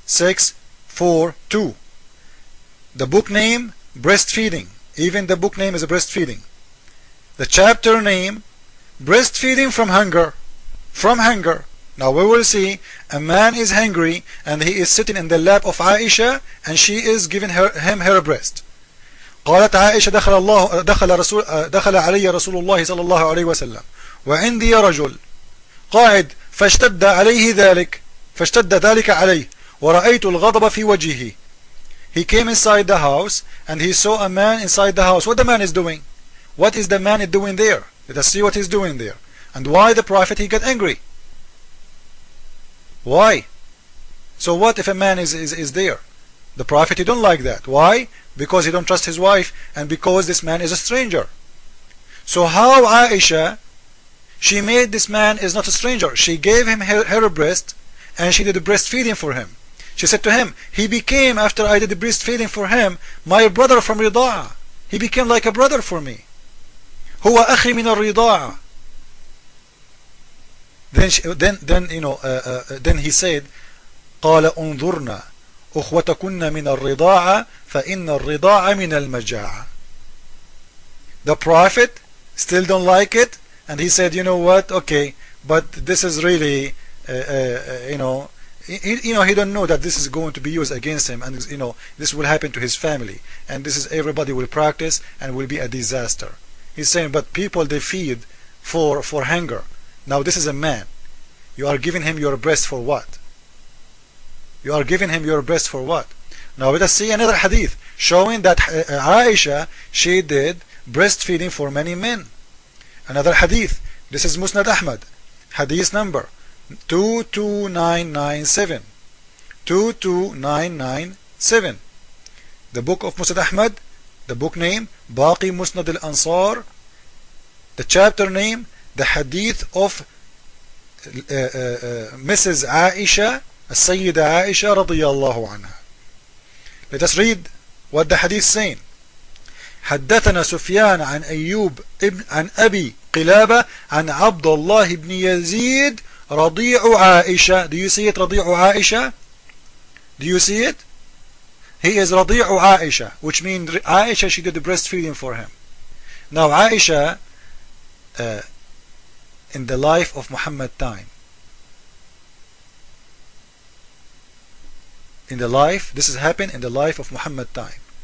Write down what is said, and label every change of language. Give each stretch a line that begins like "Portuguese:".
English: 2642. The book name, breastfeeding. Even the book name is breastfeeding. The chapter name, breastfeeding from hunger. From hunger. Now we will see a man is hungry and he is sitting in the lap of Aisha and she is giving him her breast.
Arabic: قالت عائشة دخل الله دخل رسول دخل علي رسول الله صلى الله عليه وسلم وعندي رجل قاعد فاشتد عليه ذلك فاشتد ذلك عليه ورأيت الغضب في وجهه.
English: He came inside the house and he saw a man inside the house. What the man is doing? What is the man doing there? Let us see what he's doing there. And why the prophet, he got angry? Why? So what if a man is there? The prophet, he don't like that. Why? Because he don't trust his wife and because this man is a stranger. So how Aisha, she made this man is not a stranger. She gave him her breast and she did the breastfeeding for him. She said to him, he became, after I did the breastfeeding for him, my brother from Rida'a. He became like a brother for me.
Arabic: هو أخي من الرضاعة.
English: Then he said,
Arabic: قال أنظرنا أخوتكن من الرضاعة فإن الرضاعة من المجاعة.
English: The prophet still don't like it, and he said, you know what? Okay, but this is really, he don't know that this is going to be used against him, and you know this will happen to his family, and this is everybody will practice and will be a disaster. He's saying, but people they feed for hunger. Now this is a man. You are giving him your breast for what? You are giving him your breast for what? Now let us see another hadith showing that Aisha, she did breastfeeding for many men. Another hadith. This is Musnad Ahmad. Hadith number 22997. 22997. The book of Musnad Ahmad. The book name, Baqi Musnad al-Ansar. The chapter name, the hadith of Mrs. Aisha, Sayyida Aisha radiyallahu anha. Let us read what the hadith is saying.
Arabic: حدثنا سفيان عن أيوب ابن عن أبي قلابة عن عبد الله بن يزيد رضيع عائشة.
English: Do you see it,
Arabic: رضيع عائشة?
English: Do you see it? He is
Arabic: رضيع عائشة,
English: which means Aisha, she did the breastfeeding for him. Now Aisha, in the life of Muhammad time, in the life, this has happened in the life of Muhammad time.